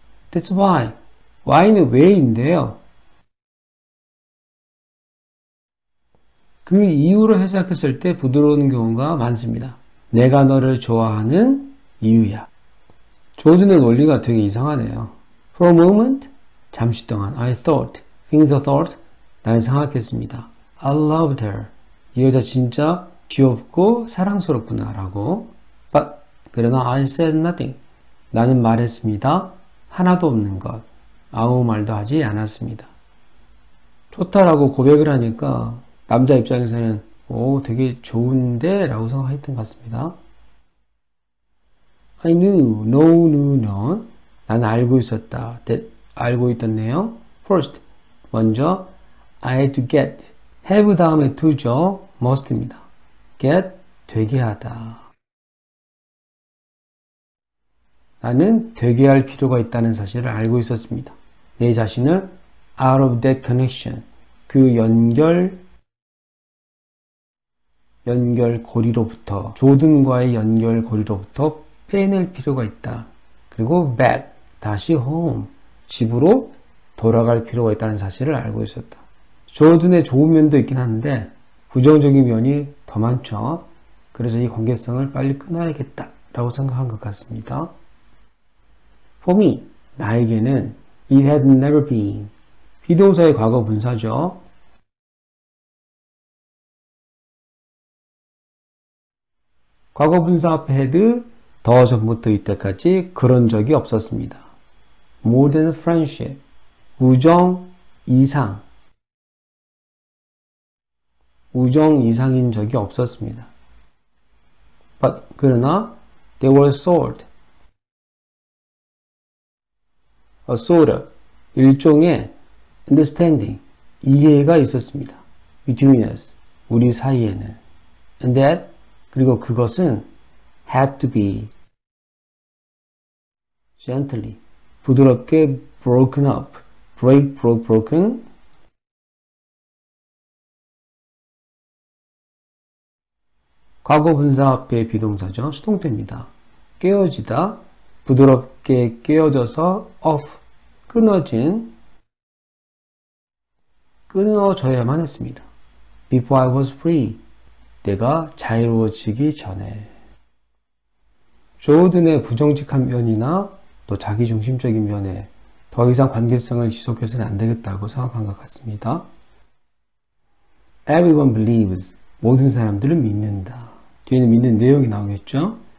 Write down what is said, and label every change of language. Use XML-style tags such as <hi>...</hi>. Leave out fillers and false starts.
<en>That's why. why는</en> <ko>왜인데요? 그 이유로 해석했을 때 부드러운 경우가 많습니다. 내가 너를 좋아하는 이유야. 조준의 논리가 되게 이상하네요.</ko> <en>For a moment,</en> <ko>잠시 동안,</ko> <en>I thought, things I thought,</en> <ko>나는 생각했습니다.</ko> <en>I loved her.</en> <ko>이 여자 진짜 귀엽고 사랑스럽구나, 라고.</ko> <en>But,</en> <ko>그러나</ko> <en>I said nothing.</en> <ko>나는 말했습니다. 하나도 없는 것. 아무 말도 하지 않았습니다. 좋다라고 고백을 하니까 남자 입장에서는 오, 되게 좋은데? 라고 생각했던 것 같습니다.</ko> <en>I knew, no, no, no.</en> <ko>나는 알고 있었다. That, 알고 있었네요.</ko> <en>First,</en> <ko>먼저</ko> <en>I had to get.</en> <ko>have 다음에 to죠. must입니다. get, 되게 하다. 나는 되게 할 필요가 있다는 사실을 알고 있었습니다. 내 자신을</ko> <en>out of that connection,</en> <ko>그 연결고리로부터, 조든과의 연결고리로부터 빼낼 필요가 있다. 그리고 back, 다시 home, 집으로 돌아갈 필요가 있다는 사실을 알고 있었다. 조든의 좋은 면도 있긴 한데, 부정적인 면이 더 많죠. 그래서 이 관계성을 빨리 끊어야겠다라고 생각한 것 같습니다.</ko> <en>For me,</en> <ko>나에게는</ko> <en>it had never been.</en> <ko>이 동사의 과거 분사죠. 과거 분사 앞에 had 더 전부터 이때까지 그런 적이 없었습니다.</ko> <en>More than friendship.</en> <ko>우정 이상. 우정 이상인 적이 없었습니다.</ko> <en>But</en> <ko>그러나</ko> <en>they were sort. A sort of</en> <ko>일종의</ko> <en>understanding</en> <ko>이해가 있었습니다.</ko> <en>Between us</en> <ko>우리 사이에는.</ko> <en>And that</en> <ko>그리고 그것은</ko> <en>had to be gently</en> <ko>부드럽게</ko> <en>broken up, break broke broken.</en> <ko>과거 분사 앞에 비동사죠. 수동태입니다. 깨어지다, 부드럽게 깨어져서 off, 끊어진, 끊어져야만 했습니다.</ko> <en>Before I was free,</en> <ko>내가 자유로워지기 전에. 조든의 부정직한 면이나 또 자기중심적인 면에 더 이상 관계성을 지속해서는 안 되겠다고 생각한 것 같습니다.</ko> <en>Everyone believes,</en> <ko>모든 사람들은 믿는다. 뒤에는 믿는 내용이 나오겠죠?</ko>